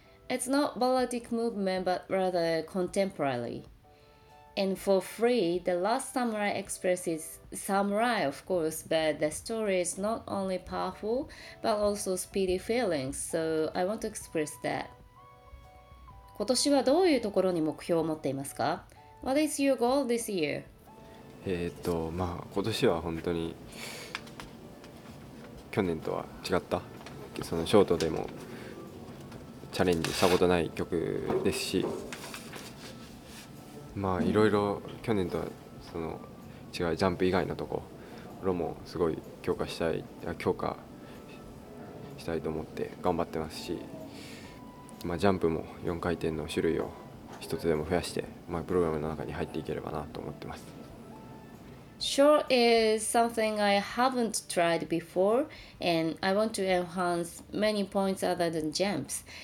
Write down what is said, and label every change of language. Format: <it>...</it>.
<en>It's not balladic movement but rather contemporary. And for free, The Last Samurai expresses samurai, of course, but the story is not only powerful, but also speedy feelings, so I want to express that.</en> <ja>今年はどういうところに目標を持っていますか?</ja> <en>What is your goal this year?</en> <ja>今年は本当に去年とは違った。そのショートでもチャレンジしたことない曲ですし、いろいろ去年とはその違うジャンプ以外のところもすごい強化したいと思って頑張ってますし、ジャンプも4回転の種類を一つでも増やして、プログラムの中に入っていければなと思ってます。</ja> <en>Short is something I haven't tried before and I want to enhance many points other than jumps.</en>